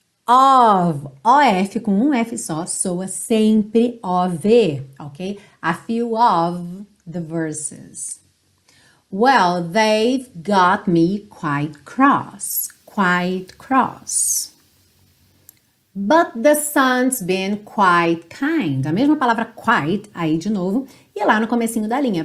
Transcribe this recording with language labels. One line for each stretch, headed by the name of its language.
Portuguese: Of, OF com um F só, soa sempre OV, ok?
English: A few of the verses. Well, they've got me quite cross, quite cross. But the sun's been quite kind.
Portuguese: A mesma palavra quite aí de novo e lá no comecinho da linha.